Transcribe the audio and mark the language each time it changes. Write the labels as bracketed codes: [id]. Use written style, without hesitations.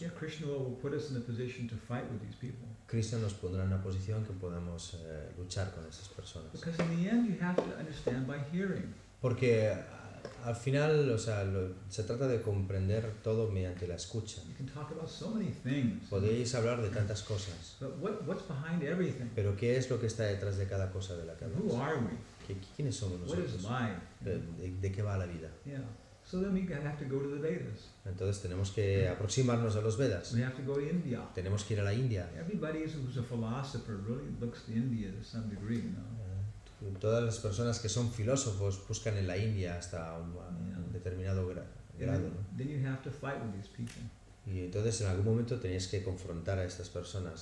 [en] Yeah, Krishna will put us in a position to fight with these people. [es] Krishna nos pondrá en una posición que podamos luchar con esas personas. [en] Because in the end you have to understand by hearing. [es] Porque al final, o sea, se trata de comprender todo mediante la escucha. [en] You can talk about so many things. [es] Podéis hablar de tantas cosas. [en] But what's behind everything? [es] Pero ¿qué es lo que está detrás de cada cosa de la cabeza? [en] Who are we? [es] ¿Quiénes somos nosotros? [en] What is life? [es] ¿De qué va la vida? [en] Yeah. So then we have to go to the Vedas. [es] Entonces tenemos que aproximarnos a los Vedas. [en] We have to go to India. [es] Tenemos que ir a la India. [en] Everybody who's a philosopher really looks to India to some degree, you know? [es] Todas las personas que son filósofos buscan en la India hasta un determinado [en] then you have to fight with these people. [es] Y entonces en algún momento tenías que confrontar a estas personas,